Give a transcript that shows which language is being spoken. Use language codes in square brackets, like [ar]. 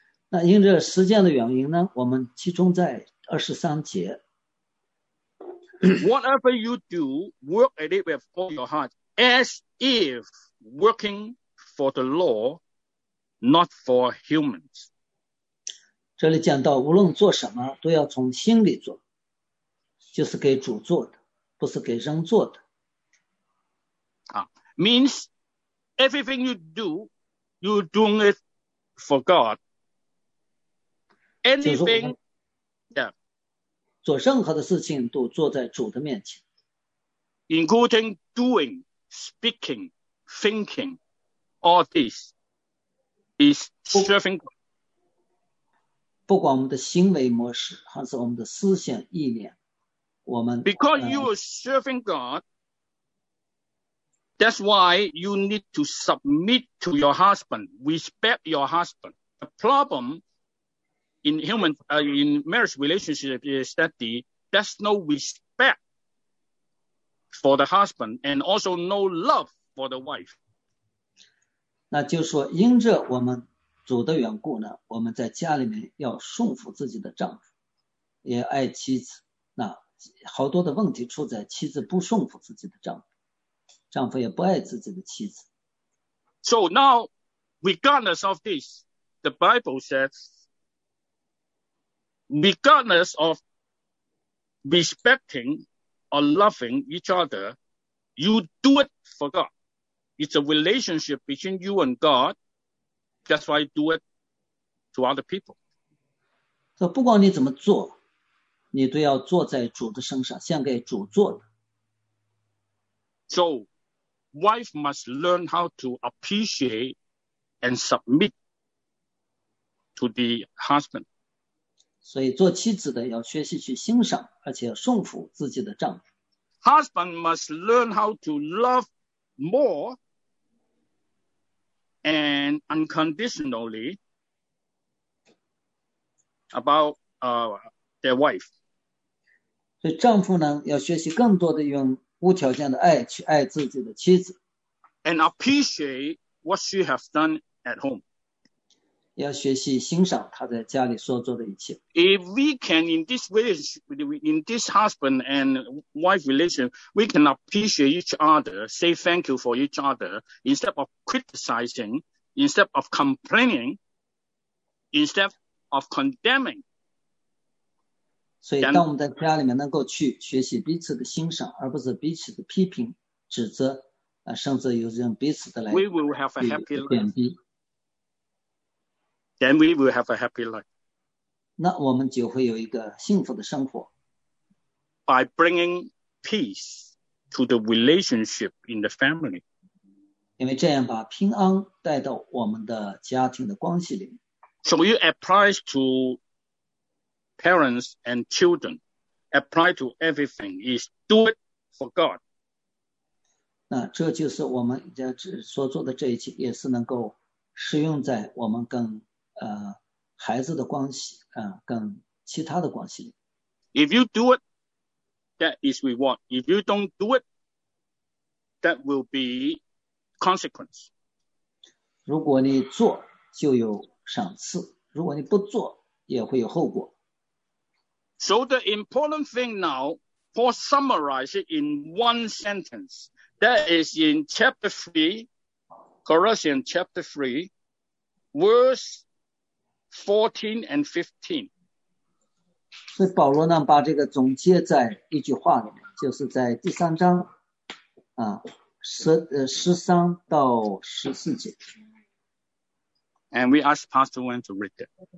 [zh] 那因着时间的原因呢，我们集中在23节。 [en] Whatever you do, work at it with all your heart, as if working for the law, not for humans. [zh] 这里讲到无论做什么都要从心里做，就是给主做的，不是给人做的。 [en] Means everything you do, you're doing it for God. Anything, yeah. [zh] 做任何的事情都坐在主的面前， [en] including doing, speaking, thinking, all this is serving God. [zh] 不管我们的行为模式还是我们的思想意念，我们 [en] because you are serving God, that's why you need to submit to your husband, respect your husband. The problem. In marriage relationship is that there's no respect for the husband and also no love for the wife. [zh] 那就是说因着我们主的缘故呢，我们在家里面要顺服自己的丈夫，也爱妻子。那好多的问题出在妻子不顺服自己的丈夫，丈夫也不爱自己的妻子。 [en] So now, regardless of this, the Bible says,Regardless of respecting or loving each other, you do it for God. It's a relationship between you and God. That's why you do it to other people. [zh] So, 不管你怎么做，你都要做在主的身上，献给主做的。 [en] So, wife must learn how to appreciate and submit to the husband. [zh] 所以做妻子的要学习去欣赏而且顺服自己的丈夫。 [en] Husband must learn how to love more and unconditionally about their wife. [zh] 所以丈夫呢要学习更多的用无条件的爱去爱自己的妻子。 [en] And appreciate what she has done at home. [zh] 要学习欣赏他在家里所做的一切。 [en] If we can in this way, in this husband and wife relation, we can appreciate each other, say thank you for each other, instead of criticizing, instead of complaining, instead of condemning. [zh] 所以，当我们在家里面能够去学习彼此的欣赏，而不是彼此的批评、指责，啊，甚至有这种彼此的来 [en] we will have a happy [zh] 去贬低。 [en] Then we will have a happy life. [zh] 那我们就会有一个幸福的生活。 [en] By bringing peace to the relationship in the family. [zh] 因为这样把平安带到我们的家庭的关系里。 [en] So you apply to parents and children, apply to everything is do it for God. [zh] 那这就是我们所做的这一切也是能够适用在我们跟孩子的关系跟其他的关系。 [en] If you do it, that is reward. If you don't do it, that will be consequence. [zh] 如果你做就有赏赐，如果你不做也会有后果。 [en] So the important thing now, for summarizing in one sentence, that is in chapter 3, Colossians chapter 3, verse 14 and 15. [zh] 所以保罗呢把这个总结在一句话里面，就是在第三章13到14节。 [en] And we ask Pastor Wen to read it.